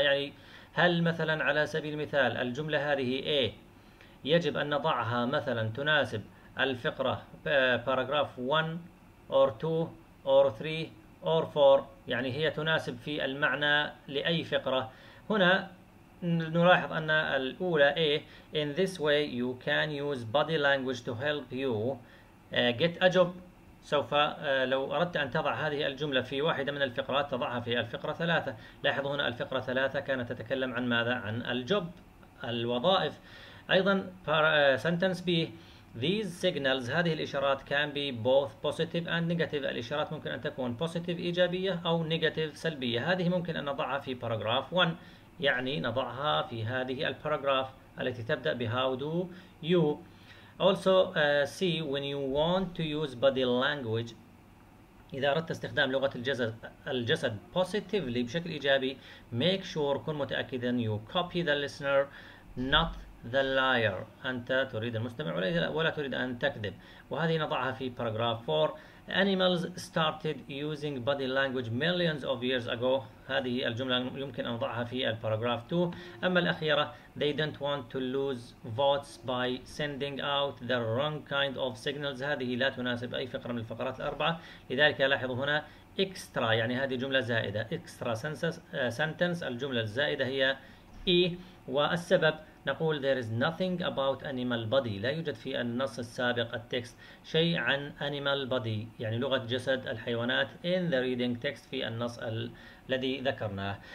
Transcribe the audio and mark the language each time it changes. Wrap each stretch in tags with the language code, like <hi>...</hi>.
<ar>يعني هل مثلا على سبيل المثال الجملة هذه A يجب أن نضعها مثلا تناسب الفقرة</ar> <en>paragraph 1 or 2 or 3 or 4،</en> <ar>يعني هي تناسب في المعنى لأي فقرة. هنا نلاحظ أن الأولى A.</ar> <en>In this way you can use body language to help you get a job.</en> <ar>سوف لو أردت أن تضع هذه الجملة في واحدة من الفقرات تضعها في الفقرة ثلاثة. لاحظوا هنا الفقرة ثلاثة كانت تتكلم عن ماذا؟ عن الجوب الوظائف. أيضا</ar> <en>sentence B. These signals</en> <ar>هذه الإشارات</ar> <en>can be both positive and negative.</en> <ar>الإشارات ممكن أن تكون positive إيجابية أو negative سلبية. هذه ممكن أن نضعها في paragraph 1، يعني نضعها في هذه الparagraph التي تبدأ ب</ar> <en>how do you. Also see when you want to use body language،</en> <ar>إذا أردت استخدام لغة الجسد</ar> <en>positively</en> <ar>بشكل إيجابي،</ar> <en>make sure</en> <ar>كن متأكدا</ar> <en>you copy the listener not the liar.</en> <ar>أنت تريد المستمع ولا تريد أن تكذب، وهذه نضعها في paragraph 4.</ar> <en>Animals started using body language millions of years ago.</en> <ar>هذه الجملة يمكن أن نضعها في paragraph 2. أما الأخيرة</ar> <en>they don't want to lose votes by sending out the wrong kind of signals.</en> <ar>هذه لا تناسب أي فقرة من الفقرات الأربعة، لذلك لاحظوا هنا extra، يعني هذه جملة زائدة extra sentence. الجملة الزائدة هي E. والسبب نقول</ar> <en>there is nothing about animal body،</en> <ar>لا يوجد في النص السابق التكست شيء عن animal body يعني لغة جسد الحيوانات</ar> <en>in the reading text</en> <ar>في النص الذي ذكرناه.</ar>